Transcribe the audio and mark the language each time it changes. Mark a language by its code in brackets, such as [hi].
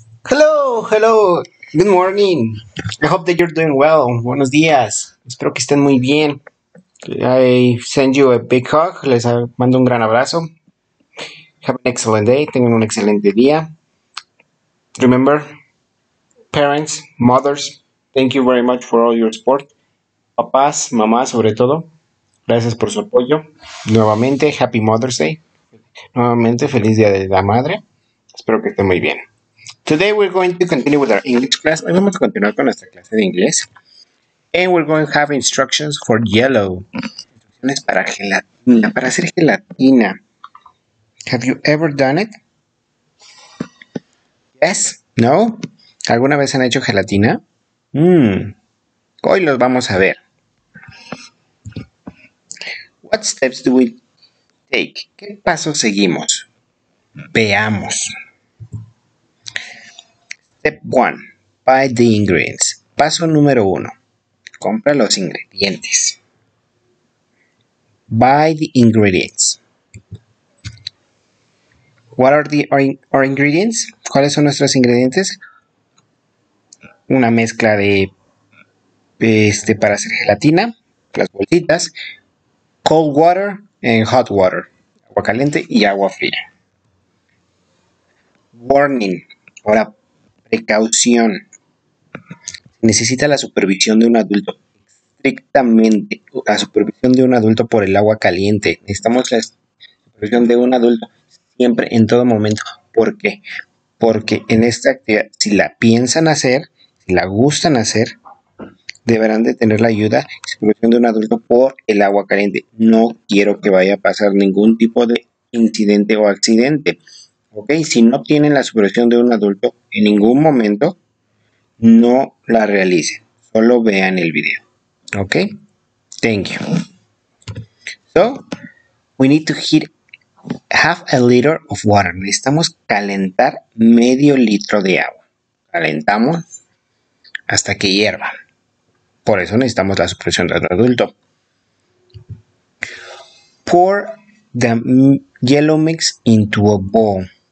[en] Hello, hello, good morning. I hope that you're doing well. [es] Buenos días. Espero que estén muy bien. [en] I send you a big hug. [es] Les mando un gran abrazo. [en] Have an excellent day. [es] Tengan un excelente día. [en] Remember, parents, mothers, thank you very much for all your support. [es] Papás, mamás, sobre todo, gracias por su apoyo. Nuevamente, [en] Happy Mother's Day. [es] Nuevamente, feliz día de la madre. Espero que estén muy bien. [en] Today we're going to continue with our English class. [es] Hoy vamos a continuar con nuestra clase de inglés. [en] And we're going to have instructions for yellow. [es] Instrucciones para gelatina, para hacer gelatina. [en] Have you ever done it? Yes, no. [es] ¿Alguna vez han hecho gelatina? Hoy los vamos a ver. [en] What steps do we take? [es] ¿Qué paso seguimos? Veamos. [en] Step 1. Buy the ingredients. [es] Paso número 1. Compra los ingredientes. [en] Buy the ingredients. What are the our ingredients? [es] ¿Cuáles son nuestros ingredientes? Una mezcla de para hacer gelatina, las bolitas, [en] cold water and hot water, [es] agua caliente y agua fría. [en] Warning. [es] Ahora, precaución. Necesita la supervisión de un adulto. Estrictamente la supervisión de un adulto por el agua caliente. Necesitamos la supervisión de un adulto siempre, en todo momento. ¿Por qué? Porque en esta actividad, si la piensan hacer, si la gustan hacer, deberán de tener la ayuda y supervisión de un adulto por el agua caliente. No quiero que vaya a pasar ningún tipo de incidente o accidente. Okay, si no tienen la supervisión de un adulto en ningún momento, no la realicen. Solo vean el video. [en] Ok, thank you. So, we need to heat half a liter of water. [es] Necesitamos calentar medio litro de agua. Calentamos hasta que hierva. Por eso necesitamos la supervisión de un adulto. [en] Pour the yellow mix into a bowl.